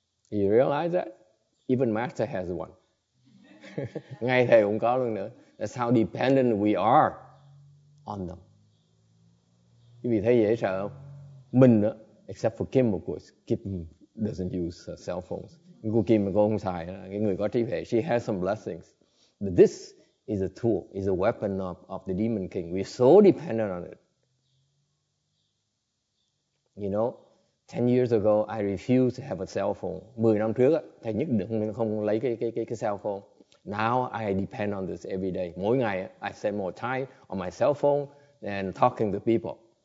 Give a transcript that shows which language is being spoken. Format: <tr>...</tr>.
<en>You realize that? Even Master has one.</en> <vi>Ngay thầy cũng có luôn nữa.</vi> <en>That's how dependent we are on them.</en> <vi>Quý vị thấy dễ sợ không? Mình đó,</vi> <en>except for Kim, of course. Kim doesn't use cell phones.</en> <vi>Cô Kim mà cô không xài, cái người có trí huệ,</vi> <en>she has some blessings. But this is a tool, is a weapon of the demon king. We're so dependent on it. You know, 10 years ago, I refused to have a cell phone.</en> <vi>10 năm trước, thầy nhất định không lấy cái cell phone.</vi> <en>Now I depend on this every day.</en> <vi>Mỗi ngày,</vi> <en>I spend more time on my cell phone than talking to people.</en>